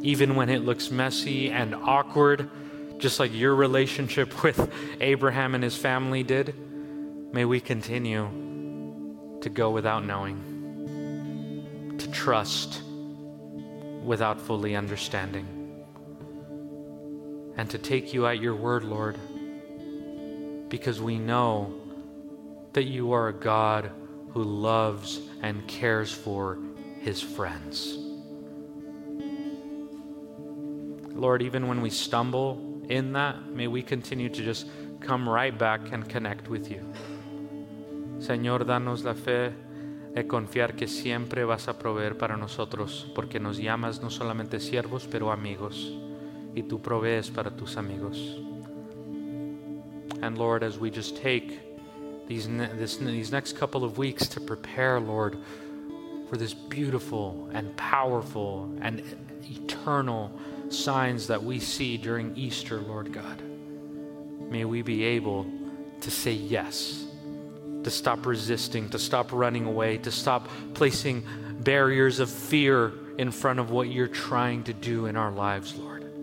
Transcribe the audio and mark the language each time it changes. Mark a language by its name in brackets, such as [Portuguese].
[English] Even when it looks messy and awkward, just like your relationship with Abraham and his family did, may we continue to go without knowing, to trust without fully understanding, and to take you at your word, Lord, because we know that you are a God who loves and cares for his friends. Lord, even when we stumble in that, may we continue to just come right back and connect with you. [Spanish] Señor, danos la fe de confiar que siempre vas a proveer para nosotros, porque nos llamas no solamente siervos, pero amigos, y tú provees para tus amigos. [English] And Lord, as we just take these next couple of weeks to prepare, Lord, for this beautiful and powerful and eternal signs that we see during Easter, Lord God, may we be able to say yes, to stop resisting, to stop running away, to stop placing barriers of fear in front of what you're trying to do in our lives, Lord.